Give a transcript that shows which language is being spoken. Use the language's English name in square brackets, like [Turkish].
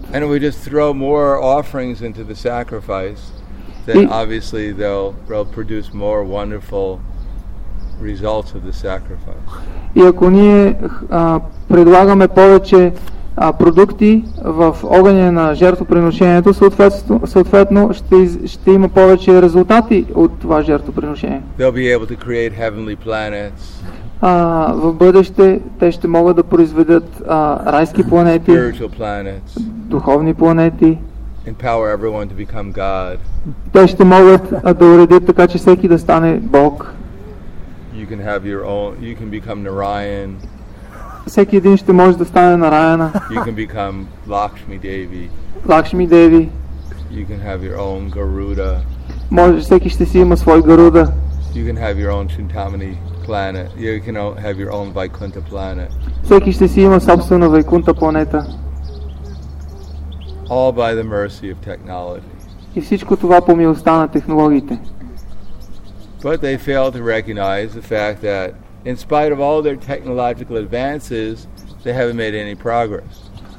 [English] And if we just throw more offerings into the sacrifice, then obviously they'll produce more wonderful results of the sacrifice. [Bulgarian] И ако ние предлагаме повече продукти в огъня на жертвоприношението, съответно ще има повече резултати от това жертвоприношение. [English] They'll be able to create heavenly planets. [Bulgarian] В бъдеще те ще могат да произведат райски планети, [English] spiritual planets, [Bulgarian] духовни планети. [English] Empower everyone to become God. [Bulgarian] Те ще могат да уредят така, че всеки да стане Бог. [English] You can have your own, you can become Narayan. [Bulgarian] Всеки един ще може да стане Нараяна. [English] You can become Lakshmi Devi. [Bulgarian] Lakshmi Devi. [English] You can have your own Garuda. [Bulgarian] Може, всеки ще си има свой Гаруда. [English] You can have your own Chintamani planet. You can have your own Vaikuntha planet. [Bulgarian] Всеки ще си има собствена Вайкунта планета. [English] All by the mercy of technology. [Bulgarian] И всичко това по милостта на технологиите. [English] But they fail to recognize the fact that in spite of all their technological advances, they haven't made any progress.